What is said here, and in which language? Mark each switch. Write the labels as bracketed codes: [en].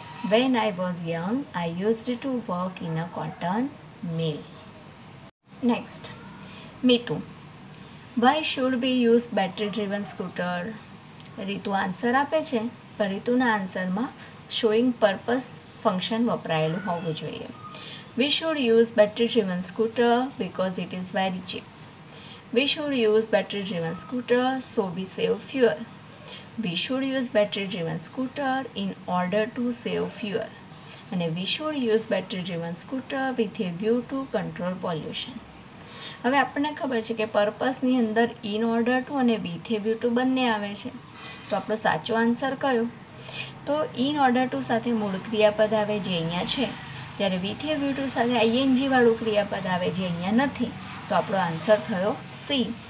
[en] When I was young, I used to work in a cotton mill. Next, Mitu, why should be use battery driven scooter? [gu] Ritu answer આપે છે, પણ રીતુના આન્સરમાં [en] showing purpose function [gu] વપરાયેલું હોવું જોઈએ. [en] We should use battery-driven scooter because it is very cheap. We should use battery-driven scooter so we save fuel. We should use battery-driven scooter in order to save fuel. And we should use battery-driven scooter with a view to control pollution. [gu] હવે આપણને ખબર છે કે પર્પસની અંદર [en] in order to [gu] અને [en] with a view to [gu] બંને આવે છે, તો આપણો સાચો આન્સર કયો? તો [en] in order to [gu] સાથે મૂળ ક્રિયાપદ આવે જે અહીંયા છે, જ્યારે [en] with a view to [gu] સાથે આઈએનજી વાળું ક્રિયાપદ આવે જે અહીંયા નથી, તો આપણો આન્સર થયો સી.